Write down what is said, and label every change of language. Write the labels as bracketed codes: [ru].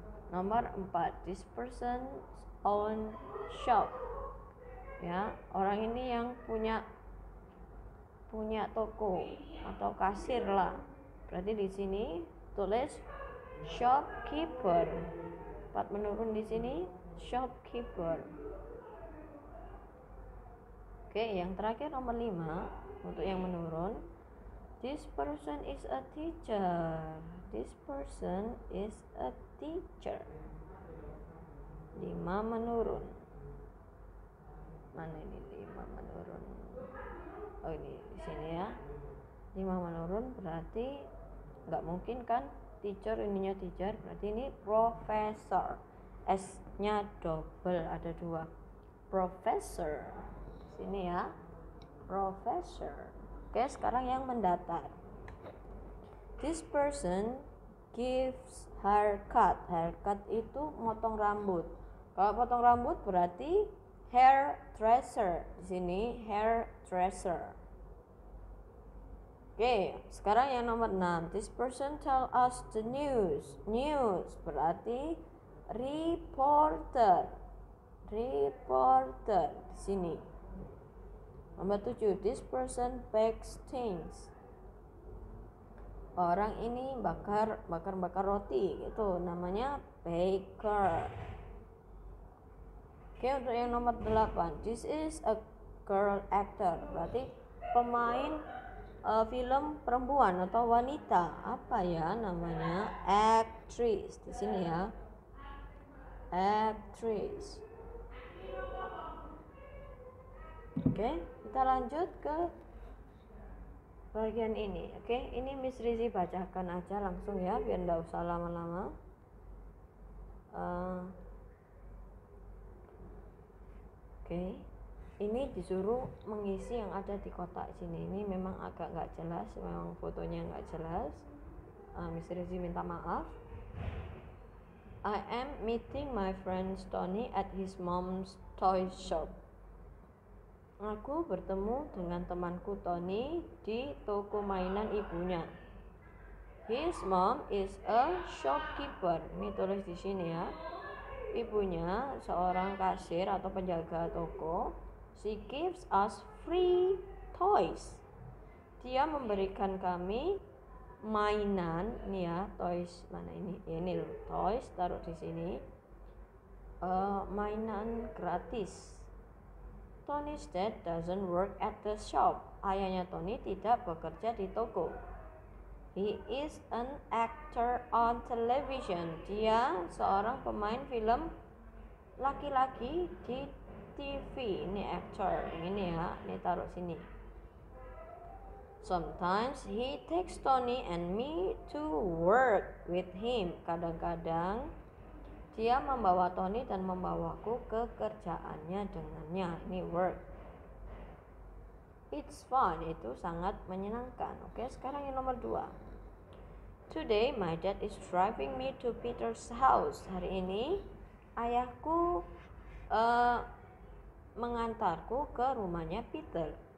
[id] Nomor 4, [en] this person own shop. [id] ya, orang ini yang punya punya toko atau kasir lah. Berarti di sini tulis shopkeeper. Empat menurun di sini shopkeeper. Oke, yang terakhir nomor 5 untuk yang menurun. [en] This person is a teacher. This person is a teacher. [id] 5 menurun. Mana ini 5 menurun? Oh, ini di sini ya. 5 menurun berarti enggak mungkin kan teacher ininya teacher, berarti ini professor. S-nya double, ada 2. Professor. Sini ya, professor. Oke, sekarang yang mendatar. [en] This person gives haircut. [id] Haircut itu motong rambut. Kalau potong rambut berarti hair dresser. Di sini hair dresser. Oke, sekarang yang nomor 6. [en] This person tell us the news. [id] News berarti reporter. Reporter di sini. [en] Nomor 7, this person bakes things. [id] Orang ini bakar, bakar roti gitu, namanya baker. Oke, untuk yang nomor 8, this is a girl actor. Berarti pemain film perempuan atau wanita. Apa ya namanya? Actress di sini ya. Actress. Oke, kita lanjut ke bagian ini. Oke, ini Miss Rizy bacakan aja langsung ya, biar enggak usah lama-lama. Oke, ini disuruh mengisi yang ada di kotak sini. Ini memang agak enggak jelas, memang fotonya enggak jelas. Miss Rizy minta maaf. [en] I am meeting my friend Tony at his mom's toy shop. [id] Aku bertemu dengan temanku Tony di toko mainan ibunya. [en] His mom is a shopkeeper. [id] Ini tulis di sini ya. Ibunya seorang kasir atau penjaga toko. [en] She gives us free toys. [id] Dia memberikan kami mainan, nih ya, toys. Mana ini? Ini loh, toys taruh di sini. Mainan gratis. [en] Tony's dad doesn't work at the shop. [id] Ayahnya Tony tidak bekerja di toko. [en] He is an actor on television. [id] Dia seorang pemain film laki-laki di TV. Ini actor. Ini ya. Ini taruh sini. [en] Sometimes he takes Tony and me to work with him. [id] Kadang-kadang dia membawa Tony dan membawaku ke kerjaannya dengannya. Ini work. [en] It's fun. [id] Itu sangat menyenangkan. Oke, sekarang yang nomor 2. [en] Today my dad is driving me to Peter's house. [id] Hari ini ayahku mengantarku ke rumahnya Peter.